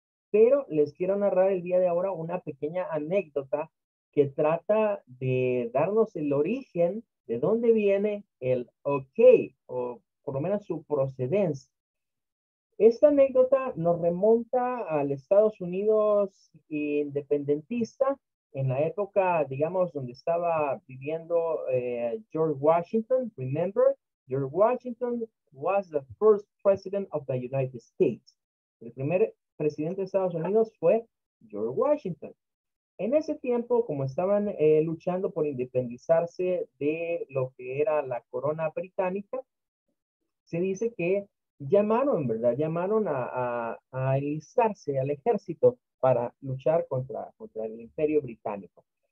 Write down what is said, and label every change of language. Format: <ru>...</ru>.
<es>Pero les quiero narrar el día de ahora una pequeña anécdota que trata de darnos el origen de dónde viene el OK, o por lo menos su procedencia. Esta anécdota nos remonta al Estados Unidos independentista en la época, digamos, donde estaba viviendo George Washington.</es> <en>Remember, George Washington was the first president of the United States.</en> <es>El primer presidente de Estados Unidos fue George Washington. En ese tiempo, como estaban luchando por independizarse de lo que era la corona británica, se dice que llamaron, ¿verdad? Llamaron a enlistarse al ejército para luchar contra el imperio británico.</es>